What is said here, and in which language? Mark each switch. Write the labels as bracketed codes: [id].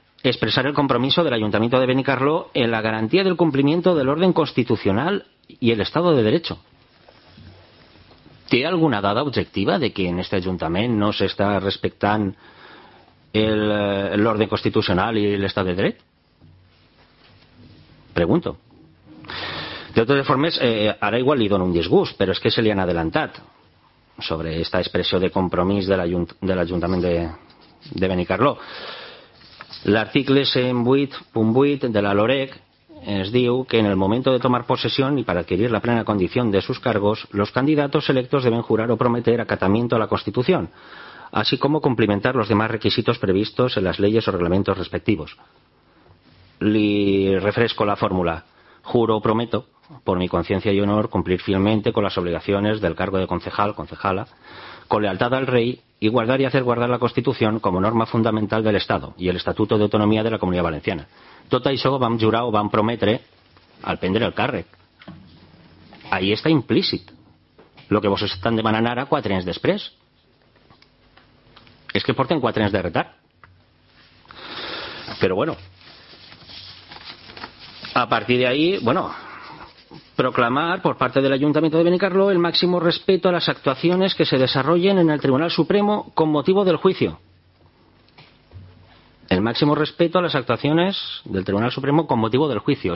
[es] Expressar el compromiso del Ayuntamiento de Benicarló en la garantía del cumplimiento del orden constitucional y el Estado de Derecho. [ca] ¿Té alguna dada objetiva [es] de que en este Ayuntament no se está respectant el orden constitucional y el Estado de Derecho? Pregunto. De otras formas, [ca] ara igual li dono un disgust, però és que se li han adelantat sobre esta expressió de compromís de l'Ajuntament de Benicarló. L'article 108.8 de la LOREC es diu que [es] en el momento de tomar posesión y para adquirir la plena condición de sus cargos, los candidatos electos deben jurar o prometer acatamiento a la Constitución, así como cumplimentar los demás requisitos previstos en las leyes o reglamentos respectivos. [ca] Li refresco la fórmula. [es] Juro o prometo, por mi conciencia y honor, cumplir fielmente con las obligaciones del cargo de concejal, concejala, con lealtad al rey, y guardar y hacer guardar la Constitución como norma fundamental del Estado y el Estatuto de Autonomía de la Comunidad Valenciana. [ca] Tot això ho vam jurar o vam prometre al prendre el càrrec. Ahí está implícit lo que vos estan demanant ara quatre anys després. És que porten quatre anys de retard. Però bueno, a partir d'ahí, [es] bueno, proclamar por parte del Ayuntamiento de Benicarló el máximo respeto a las actuaciones que se desarrollen en el Tribunal Supremo con motivo del juicio. El máximo respeto a las actuaciones del Tribunal Supremo con motivo del juicio.